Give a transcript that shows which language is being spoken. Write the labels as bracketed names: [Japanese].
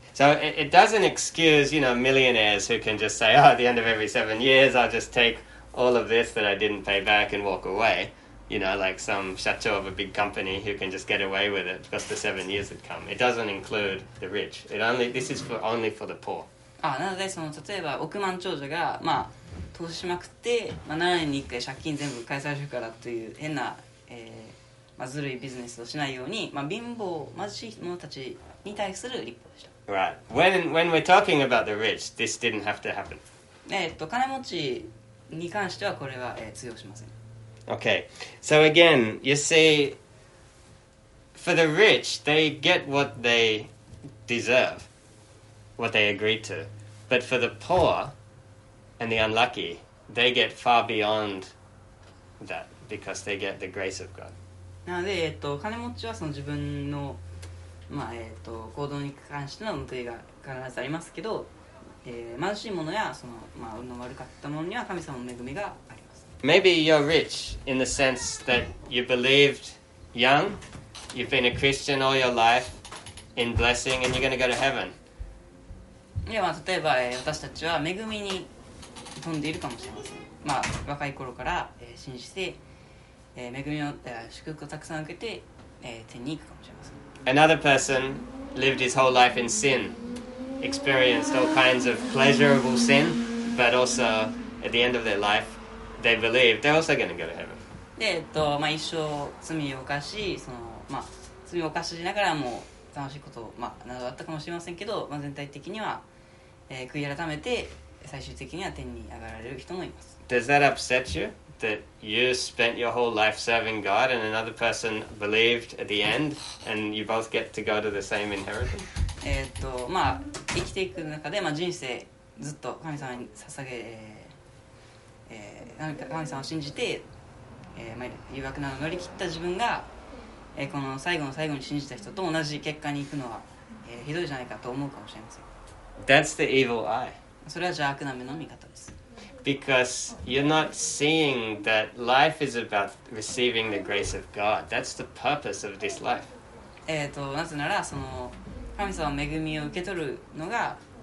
[English] So it doesn't excuse, you know, millionaires who can just say, oh, at the end of every 7 years, I'll just take all of this that I didn't pay back and walk away. You know, like some chateau of a big company who can just get away with it because the 7 years had come. It doesn't include the rich. This is only for the poor. [Japanese] Ah, なので、その例えば億万長者がまあ投資しまくって、まあ7年に1回借金全部返されるからという変な、まあずるいビジネスをしないように、まあ貧乏貧しい者たちに対する立法でした。 [English] Right. When we're talking about the rich, this didn't have to happen. [Japanese] 金持ちに関してはこれは、通用しません。 [English] Okay, so again, you see, for the rich, they get what they deserve, what they agreed to. But for the poor and the unlucky, they get far beyond that because they get the grace of God. [Japanese] なので、金持ちはその自分の、まあ行動に関しての報いが必ずありますけど、貧しい者やその、まあ、運の悪かった者には神様の恵みがあります。 [English] Maybe you're rich in the sense that you believed young, you've been a Christian all your life in blessing, and you're going to go to heaven. [Japanese] Yeah, まあ例えば私たちは恵みに富んでいるかもしれません。まあ若い頃から信じて恵みの祝福をたくさん受けて天に行くかもしれません。 [English] Another person lived his whole life in sin, experienced all kinds of pleasurable sin, but also at the end of their life. They believe they're also going to go to heaven. [Japanese] で、まあ一生罪を犯し、そのまあ罪を犯しながらも楽しいことまあなどあったかもしれませんけど、まあ全体的には、悔い改めて最終的には天に上がられる人もいます。 [English] Does that upset you that you spent your whole life serving God and another person believed at the end and you both get to go to the same inheritance? [Japanese] まあ生きていく中でまあ人生ずっと神様に捧げ神様を信じて、まあ、誘惑などを乗り切った自分が、この最後の最後に信じた人と同じ結果に行くのは、ひどいじゃないかと思うかもしれません。 [English] That's the evil eye. [Japanese] それは邪悪な目の見方です。 [English] Because you're not seeing that life is about receiving the grace of God. That's the purpose of this life. [Japanese] なぜならその神様の恵みを受け取るのが